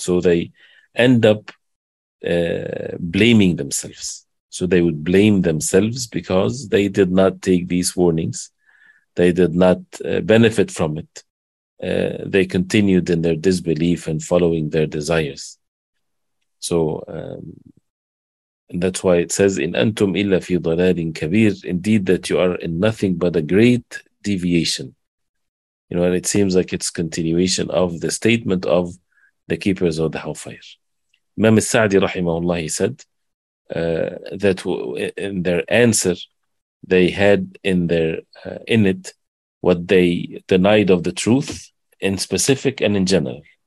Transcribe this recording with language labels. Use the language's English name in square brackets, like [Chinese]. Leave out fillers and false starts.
[English] So they end up blaming themselves. So they would blame themselves because they did not take these warnings. They did not benefit from it. They continued in their disbelief and following their desires. So that's why it says, [Arabic] إِنْ أَنْتُمْ إِلَّا فِي ضَلَالٍ كَبِيرٍ. [English] Indeed, that you are in nothing but a great deviation. You know, and it seems like it's continuation of the statement of the keepers of the hellfire. Imam al-Sa'di rahimahullah, he said that in their answer, they had in their in it what they denied of the truth in specific and in general.